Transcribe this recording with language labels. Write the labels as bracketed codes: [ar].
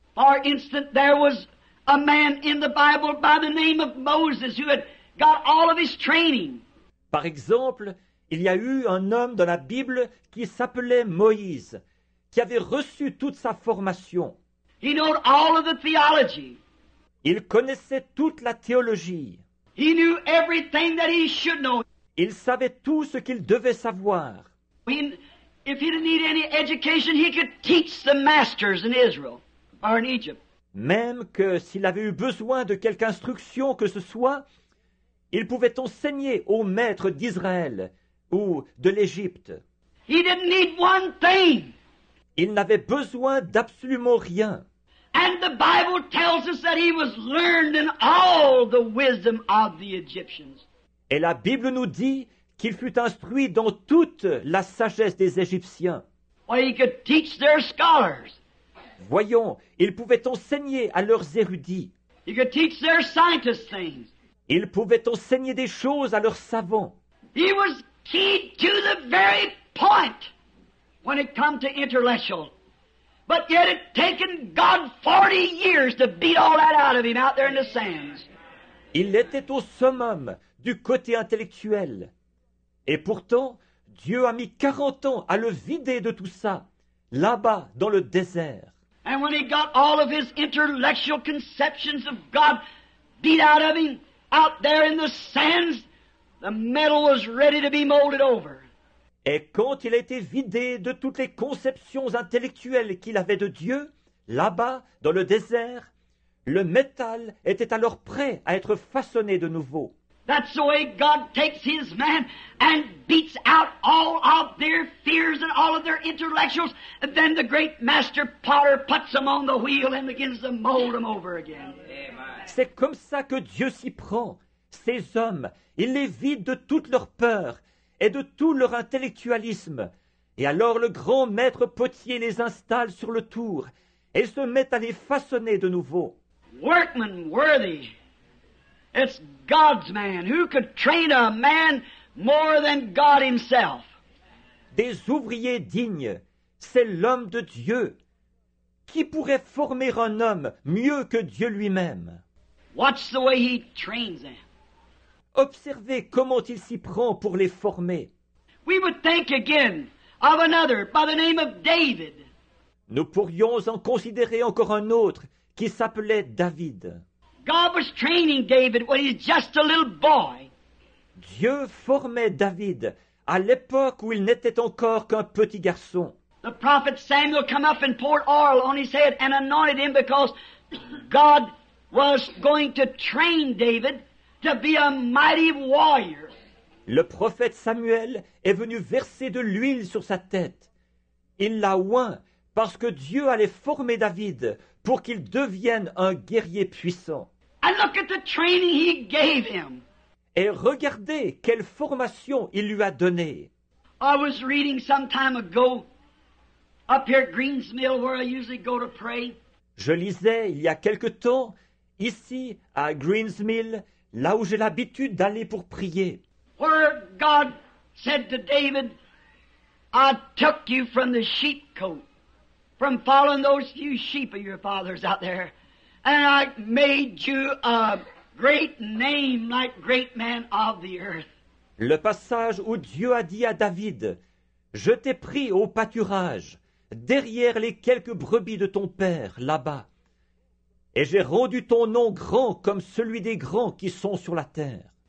[en] For instance, there was a man in the Bible by the name of Moses who had got all of his training. [fr] Par exemple, il y a eu un homme dans la Bible qui s'appelait Moïse, qui avait reçu toute sa formation. [en] He knew all of the theology. [fr] Il connaissait toute la théologie. [en] He knew everything that he should know. [fr] Il savait tout ce qu'il devait savoir. [en] If he didn't need any education, he could teach the masters in Israel or in Egypt. [fr] Même que s'il avait eu besoin de quelque instruction que ce soit, il pouvait enseigner aux maîtres d'Israël ou de l'Égypte. [en] He didn't need one thing. [fr] Il n'avait besoin d'absolument rien. [en] And the Bible tells us that he was learned in all the wisdom of the Egyptians. [fr] Et la Bible nous dit qu'il fut instruit dans toute la sagesse des Égyptiens. [en] Well, he could teach their scholars. [fr] Voyons, il pouvait enseigner à leurs érudits. [en] He could teach their scientists things. [fr] Il pouvait enseigner des choses à leurs savants. [en] He was keyed to the very point when it come to intellectual. But yet it taken God 40 years to beat all that out of him out there in the sands. [fr] Il était au summum du côté intellectuel. Et pourtant, Dieu a mis 40 ans à le vider de tout ça, là-bas dans le désert. [en] And when he got all of his intellectual conceptions of God beat out of him, out there in the sands, the metal was ready to be molded over. [fr] Et quand il a été vidé de toutes les conceptions intellectuelles qu'il avait de Dieu, là-bas, dans le désert, le métal était alors prêt à être façonné de nouveau. [en] That's the way God takes his man and beats out all of their fears and all of their intellectuals. And then the great master potter puts them on the wheel and begins to mold them over again. [fr] C'est comme ça que Dieu s'y prend. Ces hommes, il les vide de toutes leurs peurs et de tout leur intellectualisme. Et alors le grand maître potier les installe sur le tour et se met à les façonner de nouveau. [en] Workmen worthy. It's God's man. Who could train a man more than God himself? [fr] Des ouvriers dignes, c'est l'homme de Dieu. Qui pourrait former un homme mieux que Dieu lui-même? [en] Watch the way he trains them. [fr] Observez comment il s'y prend pour les former. [en] We would think again of another by the name of David. [fr] Nous pourrions en considérer encore un autre qui s'appelait David. [en] God was training David when he was just a little boy. [fr] Dieu formait David à l'époque où il n'était encore qu'un petit garçon. [en] The prophet Samuel came up and poured oil on his head and anointed him because God was going to train David to be a mighty warrior. [fr] Le prophète Samuel est venu verser de l'huile sur sa tête. Il l'a oint parce que Dieu allait former David pour qu'il devienne un guerrier puissant. [en] And look at the training he gave him. [fr] Et regardez quelle formation il lui a donnée. [en] I was reading some time ago up here at Green's Mill where I usually go to pray. [fr] Je lisais il y a quelque temps ici à Green's Mill, là où j'ai l'habitude d'aller pour prier. [en] Where God said to David, I took you from the sheep cote, from following those few sheep of your fathers out there, and I made you a great name like great man of the earth. [fr] Le passage où Dieu a dit à David, je t'ai pris au pâturage, derrière les quelques brebis de ton père, là-bas, et j'ai rendu ton nom grand comme celui des grands qui sont sur la terre.